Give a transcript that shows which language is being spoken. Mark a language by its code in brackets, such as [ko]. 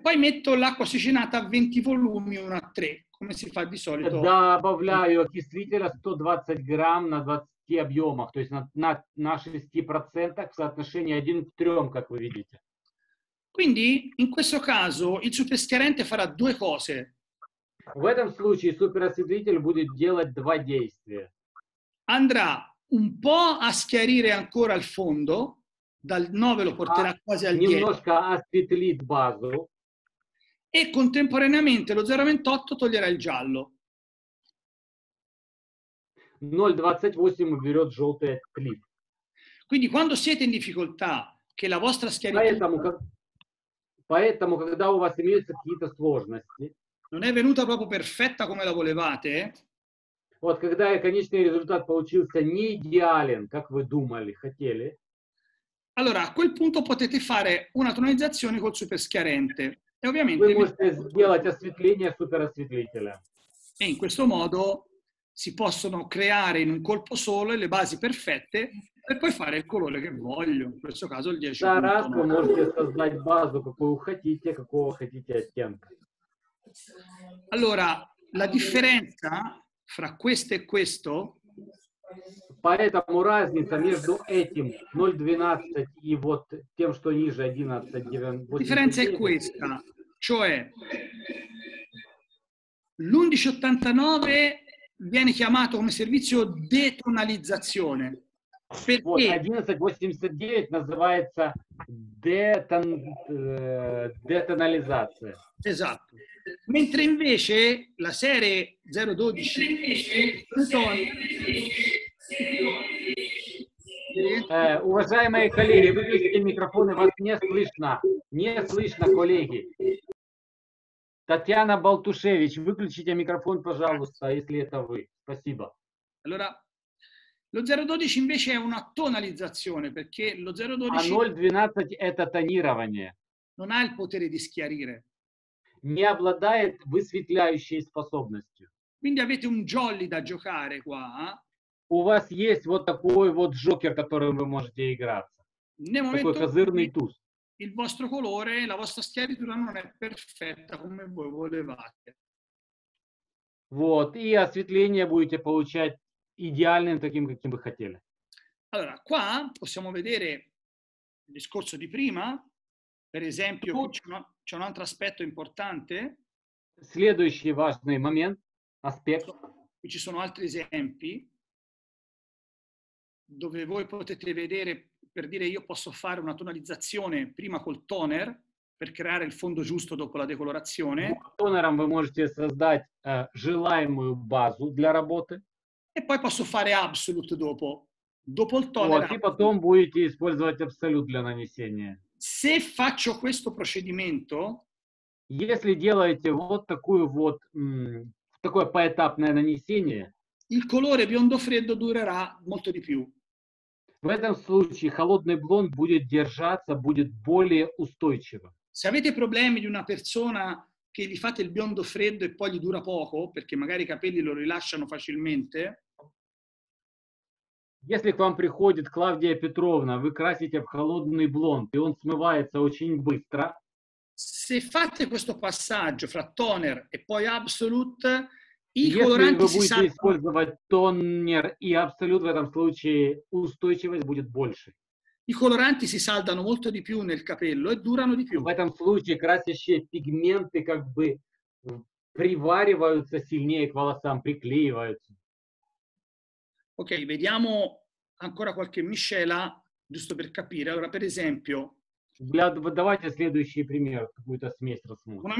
[it] Poi metto l'acqua ossigenata a 20 volumi, 1 a 3, come si fa di solito. [ru] Добавляю окислителя 120 грамм на 20 объемах, то есть на 60% в соотношении 1 к 3, как вы видите. [it] Quindi, in questo caso, il superschiarente farà due cose. [ru] В этом случае суперосветлитель будет делать два действия. [it] Andrà un po' a schiarire ancora il fondo, dal 9 lo porterà quasi al 10. [ru] Немножко осветлит базу. [it] E contemporaneamente lo 0,28 toglierà il giallo. [ru] 0,28 уберет желтый клип. [it] Quindi quando siete in difficoltà, che la vostra schiarità... [ru] Поэтому, когда у вас имеются какие-то сложности... [it] Non è venuta proprio perfetta come la volevate? [ru] Вот, когда конечный результат получился не идеален, как вы думали, хотели... [it] Allora, a quel punto potete fare una tonalizzazione col superschiarente. E ovviamente voi [ru] можете сделать осветление суперосветлителя. [it] E in questo modo si possono creare in un colpo solo le basi perfette per poi fare il colore che voglio, in questo caso il 10.9. [ru] Можете создать базу, какую хотите, какого хотите оттенка. [it] Allora, la differenza fra questo e questo, [ru] поэтому разница между этим 0,12 и вот тем, что ниже 11,9. [it] La differenza è questa. Cioè, l'1189 viene chiamato come servizio detonalizzazione. Perché? 1189 называется detonalizzazione. Esatto. Mentre invece la serie 012 Antonio. [ru] Уважаемые коллеги, выключите микрофоны, вас не слышно. Не слышно, коллеги. Татьяна Балтушевич, выключите микрофон, пожалуйста, если это вы. Спасибо. [it] Allora, lo 012 invece è una тоналізаціоне, perché lo 012 [ru] 012 это тонирование. [it] Non ha il potere di schiarire. [ru] Не обладает высветляющей способностью. [it] Quindi avete un jolly da giocare qua. [ru] У вас есть вот такой вот джокер, которым вы можете играться. [it] Nel [ru] такой [it] momento, [ru] козырный туз. [it] Il vostro colore, la vostra schiaritura non è perfetta come voi volevate. [ru] Вот, и осветление будете получать идеальным таким, каким вы хотели. [it] Allora, qua possiamo vedere il discorso di prima. Per esempio, c'è un altro aspetto importante. [ru] Следующий важный момент, аспект. [it] Qui ci sono altri esempi. Dove voi potete vedere, per dire, io posso fare una tonalizzazione prima col toner per creare il fondo giusto dopo la decolorazione. Con [ru] тонером ви можете создати желаемую базу для роботи. [it] E poi posso fare absolute dopo. Dopo il toner. [ru] Вот, и потом будете использовать абсолют для нанесения. [it] Se faccio questo procedimento, [ru] если делаете вот такую вот такое поэтапное нанесение, [it] il colore biondo freddo durerà molto di più. [ru] В этом случае холодный блонд будет держаться, будет более устойчиво. [it] Se avete problemi di una persona che gli fate il biondo freddo e poi gli dura poco, perché magari i capelli lo rilasciano facilmente. [ru] Если к вам приходит Клавдия Петровна, вы красите в холодный блонд, и он смывается очень быстро. [it] Se fate questo passaggio fra toner e poi absolute, i coloranti si [ru] будете использовать тонер и абсолют, в этом случае устойчивость будет больше. [it] I coloranti si saldano molto di più nel capello e durano di più. [ru] В этом случае красящие пигменты как бы привариваются сильнее к волосам, приклеиваются. [it] Ok, vediamo ancora qualche miscela, giusto per capire. Allora, per esempio, [ru] давайте следующий пример, какую-то смесь рассмотрим.